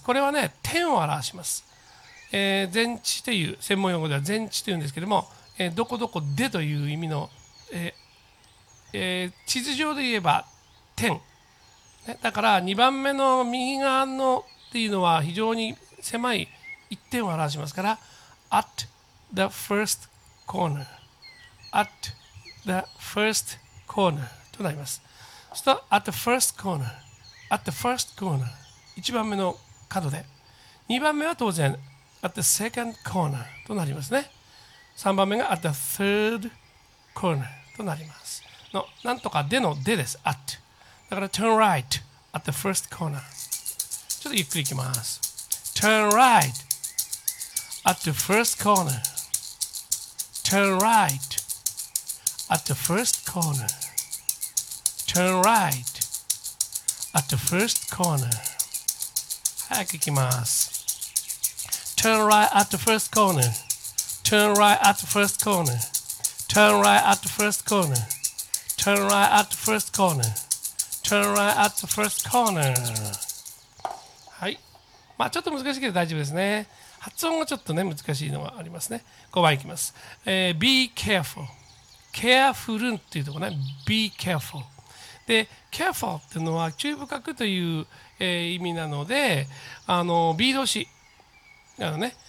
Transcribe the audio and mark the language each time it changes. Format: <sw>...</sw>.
<ja>これはね天を表します。前置という専門用語では前置というんですけども、どこどこでという意味の、地図上で言えば天、ね、だから2番目の右側のっていうのは非常に狭い一点を表しますから、</ja> <en>at the first corner、</en> <ja>at the first corner となります。そして</ja> <en>at the first corner、</en> <ja>at the first corner、 1番目の角で、2番目は当然</ja> <en>at the second corner</en> <ja>となりますね。 3番目が</ja> <en>at the third corner</en> <ja>となります。のなんとかでのでです、 at、 だから</ja> <en>turn right at the first corner、</en> <ja>ちょっとゆっくりいきます。</ja> <en>turn rightAt the first corner. Turn right. At the first corner. Turn right. At the first corner.</en> <ja>早く行きます。</ja> <en>Turn right at the first corner. Turn right at the first corner. Turn right at the first corner. Turn right at the first corner. Turn right at the first corner.</en> <ja>はい。まあちょっと難しいけど大丈夫ですね。発音がちょっとね難しいのがありますね。 5番いきます、</ja> <en>Be careful。</en> <ja>Careful っていうところね。 Be careful で、 Careful っていうのは注意深くという、意味なので、あの Be 動詞なのね。</ja>